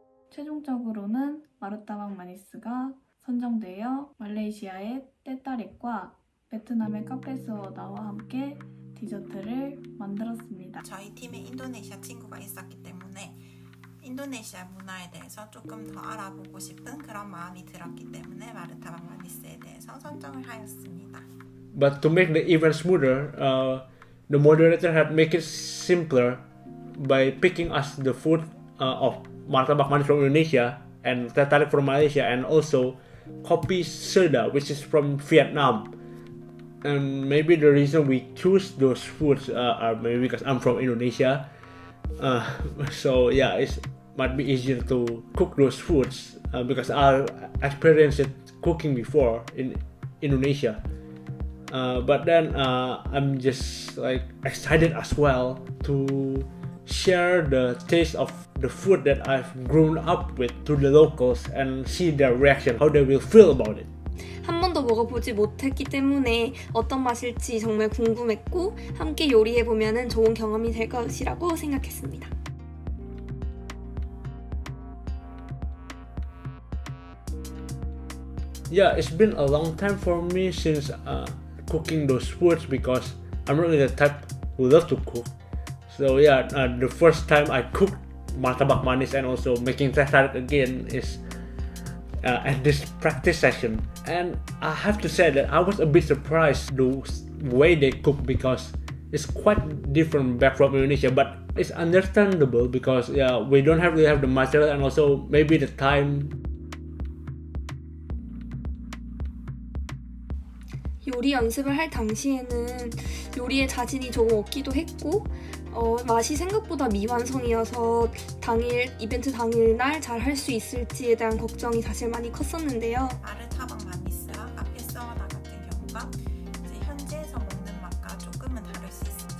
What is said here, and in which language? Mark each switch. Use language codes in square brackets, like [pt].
[ko] 최종적으로는 마르타박 마니스가 선정되어 말레이시아의 떼따리과 베트남의 카페스워나와 함께 디저트를 만들었습니다. 저희 팀에 인도네시아 친구가 있었기 때문에 인도네시아 문화에 대해서 조금 더 알아보고 싶은 그런 마음이 들었기 때문에 마르타박 마니스에 대해서 선정을 하였습니다. [en] But to make the event smoother, the moderator had make it simpler by picking us the food of Martabak Manis from Indonesia and Tetarik from Malaysia and also Kopi Soda, which is from Vietnam. And maybe the reason we choose those foods are maybe because I'm from Indonesia. So yeah, it might be easier to cook those foods because I've experienced it cooking before in Indonesia. But then I'm just like excited as well to share the taste of the food that I've grown up with to the locals and see their reaction, how they will feel about it. [ko] 한 번도 먹어보지 못했기 때문에 어떤 맛일지 정말 궁금했고 함께 요리해보면 좋은 경험이 될 것이라고 생각했습니다. [en] 야, yeah, it's been a long time for me since cooking those foods because I'm really the type who love to cook. So yeah, the first time I cooked martabak manis and also making teh tarik again is at this practice session. And I have to say that I was a bit surprised the way they cook because it's quite different back from Indonesia, but it's understandable because yeah, we don't have really have the material and also maybe the time. [ko] 요리 연습을 할 당시에는 요리에 자신이 조금 없기도 했고 맛이 생각보다 미완성이어서 당일 이벤트 당일날 잘 할 수 있을지에 대한 걱정이 사실 많이 컸었는데요. 마르타박 마니스와 카페스워나 같은 경우가 이제 현지에서 먹는 맛과 조금은 다를 수 있습니다.